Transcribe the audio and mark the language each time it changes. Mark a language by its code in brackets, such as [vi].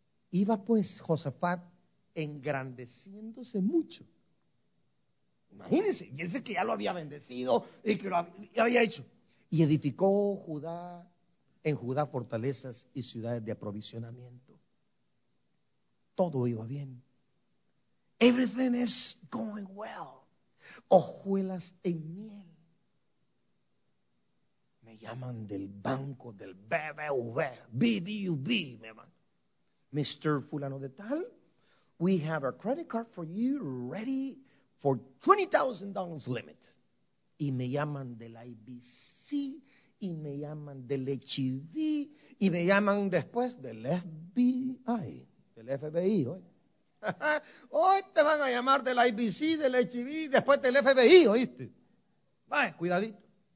[es] Iba pues Josafat engrandeciéndose mucho. Imagínense, y él dice que ya lo había bendecido y que lo había hecho. Y edificó Judá, en Judá fortalezas y ciudades de aprovisionamiento. Todo iba bien. [en] Everything is going well. [es] Hojuelas en miel. Me llaman del banco del BBVA. Me llaman. Mr. [en] Fulano de Tal, we have a credit card for you ready for $20,000 limit. [es] Y me llaman del IBC, y me llaman del HIV, y me llaman después del FBI, del FBI. Hoy te van a llamar del IBC, del HIV, después del FBI, ¿oíste? Vaya, cuidadito.